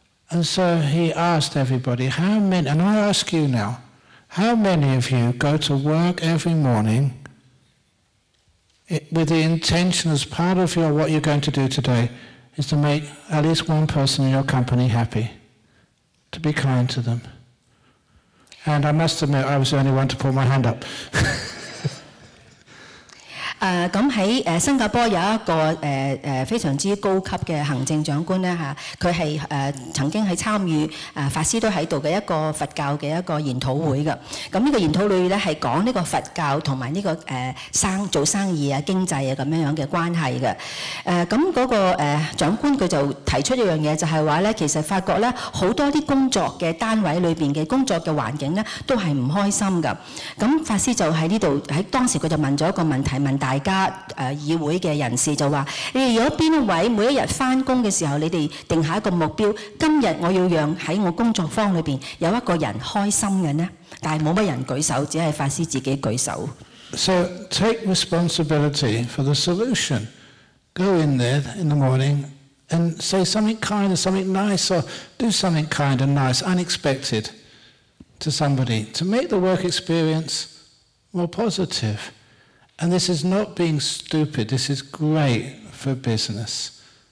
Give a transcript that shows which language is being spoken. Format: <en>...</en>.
<en>And so he asked everybody, how many, and I ask you now, how many of you go to work every morning with the intention as part of your what you're going to do today is to make at least one person in your company happy, to be kind to them? And I must admit, I was the only one to put my hand up.</en> <yue>咁喺新加坡有一個非常之高級嘅行政長官咧嚇，佢係曾經係參與法師都喺度嘅一個佛教嘅一個研討會嘅。咁呢個研討會咧係講呢個佛教同埋呢個做生意啊、經濟啊咁樣樣嘅關係嘅。咁嗰個長官佢就提出一樣嘢，就係話咧，其實發覺咧好多啲工作嘅單位裏邊嘅工作嘅環境咧都係唔開心嘅。咁法師就喺呢度喺當時佢就問咗一個問題大家議會的人士就話：你哋有哪一位每一日翻工嘅時候，你哋定下一個目標，今日我要讓喺我工作坊裏邊有一個人開心嘅呢？但係冇乜人舉手，只係法師自己舉手。</yue> <en>So take responsibility for the solution. Go in there in the morning and say something kind or something nice, or do something kind and nice, unexpected to somebody to make the work experience more positive. And this is not being stupid, this is great for business.</en>